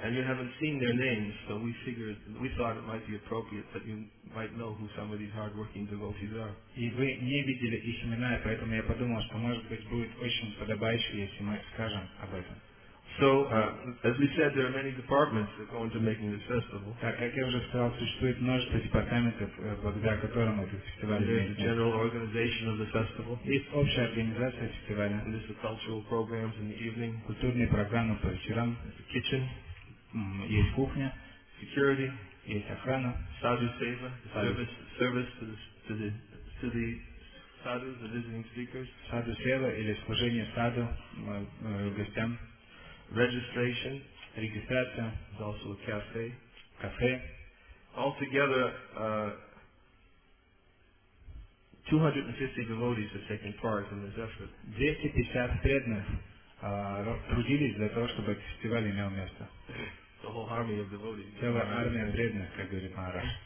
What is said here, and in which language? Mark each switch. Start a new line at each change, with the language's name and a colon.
English: And you haven't seen their names, so we figured, we thought it might be appropriate that you might know who some of these hard-working devotees are.
Russian: И вы не видели их имена, поэтому я подумал, что, может быть, будет очень подобающе, если мы скажем об этом.
English: So, as we said, there are many departments that go into making this festival.
Russian: Так, как я уже сказал, существует множество департаментов, благодаря которым этот фестиваль имеет.
English: There's the general organization of the festival.
Russian: Есть общая организация фестиваля.
English: And there's the cultural programs in the evening.
Russian: Культурные программы по вечерам.
English: There's the kitchen.
Russian: Есть кухня.
English: Security.
Russian: Есть охрана.
English: Sadhu seva. Service to the sadhus, the visiting speakers.
Russian: Sadhu seva или служение саду гостям.
English: Registration.
Russian: Регистрация.
English: There's also a cafe.
Russian: Cafe.
English: Altogether, 250 devotees have taken part in this effort.
Russian: 250 преданных трудились для того, чтобы этот фестиваль имел место.
English: The whole army of devotees.
Russian: Целая армия преданных, как говорит Мара.